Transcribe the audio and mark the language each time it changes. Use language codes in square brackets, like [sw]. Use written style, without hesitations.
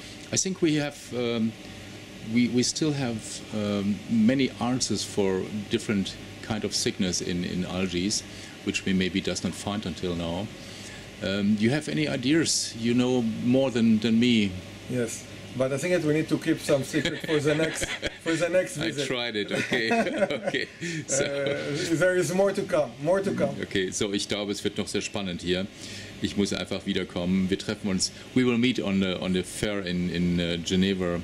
[en] I think we have we still have many answers for different kind of sickness in algae, which we maybe does not find until now. You have any ideas? You know more than me. Yes. But I think that we need to keep some secret for the next visit. I tried it. Okay. So. There is more to come. More to come. Okay. [de] So ich glaube, es wird noch sehr spannend hier. Ich muss einfach wiederkommen. Wir treffen uns. [en] We will meet on the fair in Geneva.